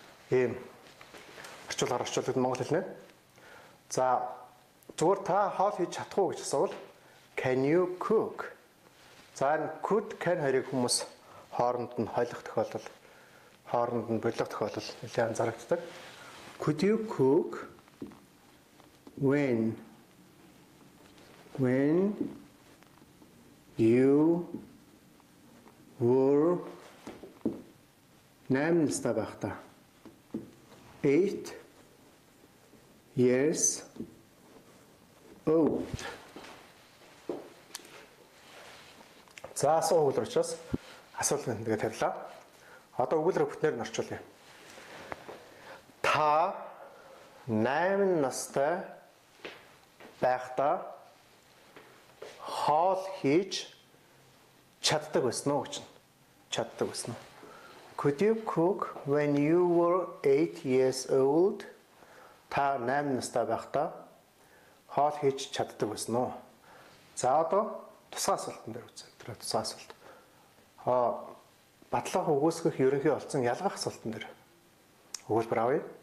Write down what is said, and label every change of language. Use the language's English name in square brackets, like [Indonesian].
[Mongolian] ийм орчуулгаар орчуулгад монгол хэлнэ. За зүгээр та хоол хийж чадах уу гэж асуувал [English] can you cook? [Mongolian] За энэ could can хоёрыг хүмүүс хооронд нь хойлох тохиолдол хооронд нь болох тохиолдол нэлээд зарагддаг. [English] Could you cook when you were 8 [Mongolian] настай байхдаа [English] 8 years old. [Mongolian] За асуу өгүүлбэр учраас асуулт нь тэгээ тавилаа. Одоо өгүүлбэр бүтнээр нь орчуулъя. Та 8 настай байхдаа хоол хийж чаддаг байсан уу гэж чаддаг байсан уу? [English] Could you cook when you were 8 years old? [Mongolian] Та 8 настай байхдаа хоол хийж чаддаг байсан уу? За одоо тусгай асуулт дээр үзье. Тэр тусгай асуулт. Батлах өгөөсгөх ерөнхий олцсон ялгах асуулт дээр өгүүлбэр авъя.